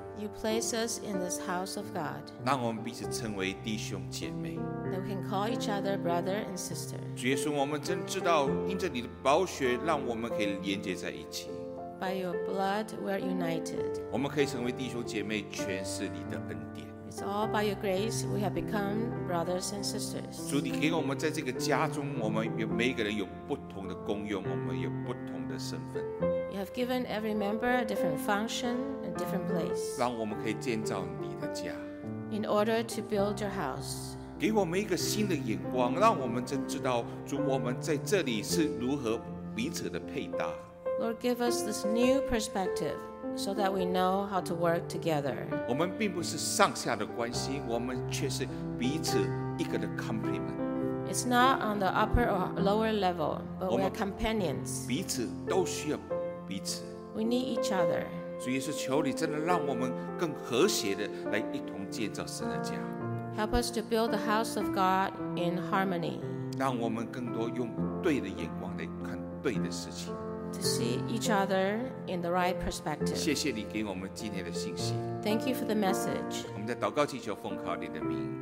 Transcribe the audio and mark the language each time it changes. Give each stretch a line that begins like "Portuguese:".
English: You place us in this house of God，
Chinese: 让我们彼此称为弟兄姐妹，
English: That we can call each other brother and sister。
Chinese: 主耶稣，我们真知道因着你的宝血让我们可以连接在一起，
English: By your blood we are united，
Chinese: 我们可以成为弟兄姐妹，全是你的恩典。
English: It's all by your grace we have become brothers and sisters。
Chinese: 主，你给我们在这个家中，我们每一个人有不同的功用，我们有不同的身份。
English: You have given every member a different function and different place.
Chinese: 让我们可以建造你的家。
English: In order to build your house.
Chinese: 给我们一个新的眼光，让我们真知道主，我们在这里是如何彼此的配搭。
English: Lord, give us this new perspective so that we know how to work together.
Chinese: 我们并不是上下的关系，我们却是彼此一个的 complement。
English: It's not on the upper or lower level, but we are companions.
Chinese: 彼此都需要。彼此
English: We need each other.
Chinese: 主耶稣，求你真的让我们更和谐的来一同建造神的家。
English: Help us to build the house of God in harmony.
Chinese: 让我们更多用对的眼光来看对的事情。
English: To see each other in the right perspective.
Chinese: 谢谢你给我们今天的信息。
English: Thank you for the message.
Chinese: 我们在祷告祈求奉靠你的名。